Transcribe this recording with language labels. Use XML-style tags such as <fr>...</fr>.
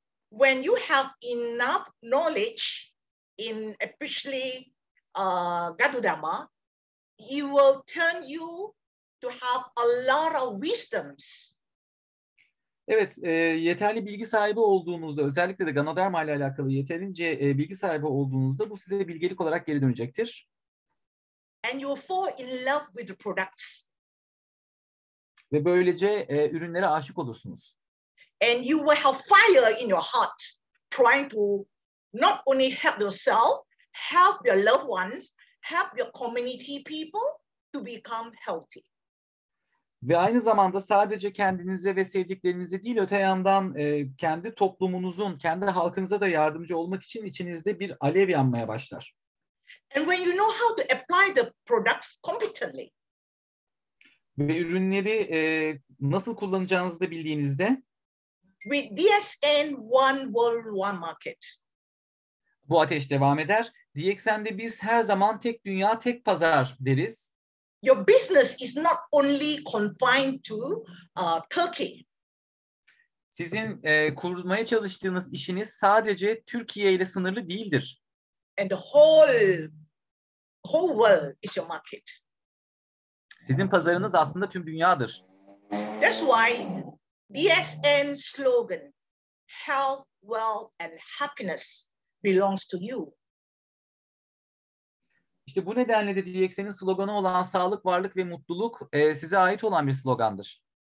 <en>When you have enough knowledge in especially Garudama, it will turn you to have a lot of wisdoms.</en> <tr>Evet, yeterli bilgi sahibi olduğunuzda, özellikle de Ganoderma ile alakalı yeterince bilgi sahibi olduğunuzda bu size bilgelik olarak geri dönecektir.</tr> <en>And you'll fall in love with the products.</en> <tr>Ve böylece ürünlere aşık olursunuz.</tr> <en>And you will have fire in your heart trying to not only help yourself, help your loved ones, help your community people to become healthy.</en> <tr>Ve aynı zamanda sadece kendinize ve sevdiklerinize değil, öte yandan kendi toplumunuzun, kendi halkınıza da yardımcı olmak için içinizde bir alev yanmaya başlar.</tr> <en>And when you know how to apply the products competently.</en> <tr>Ve ürünleri nasıl kullanacağınızı da bildiğinizde.</tr> <en>With DXN One World One Market.</en> <tr>Bu ateş devam eder. DXN'de biz her zaman tek dünya tek pazar deriz.</tr> <en>Your business is not only confined to Turkey.</en> <tr>Sizin kurmaya çalıştığınız işiniz sadece Türkiye ile sınırlı değildir.</tr> <en>And the whole world is your market.</en> <tr>Sizin pazarınız aslında tüm dünyadır.</tr> <en>That's why DXN slogan health, wealth and happiness belongs to you.</en> <tr>İşte bu nedenle de DXN'in sloganı olan sağlık, varlık ve mutluluk size ait olan bir slogandır.</tr>